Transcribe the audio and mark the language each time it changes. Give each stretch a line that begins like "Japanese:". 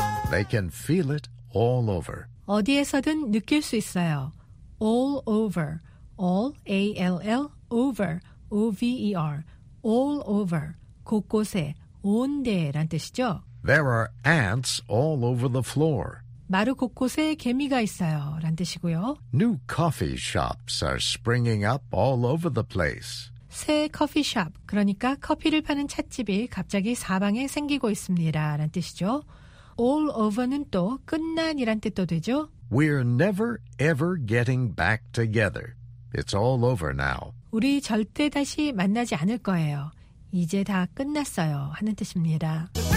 English: They can feel it all over.
Korean: 어디에서든 느낄 수 있어요.
English: All over. All, A-L-L, over, O-V-E-R. All over.
Korean: 곳곳에, 온데란 뜻이죠.
English: There are ants all over the floor.
Korean: 마루 곳곳에 개미가 있어요란 뜻이고요.
English: New coffee shops are springing up all over the place.
Korean: 새 커피숍, 그러니까 커피를 파는 찻집이 갑자기 사방에 생기고 있습니다라는 뜻이죠. All over는 또 끝난이란 뜻도 되죠.
English: We're never ever getting back together. It's all over now.
Korean: 우리 절대 다시 만나지 않을 거예요. 이제 다 끝났어요 하는 뜻입니다.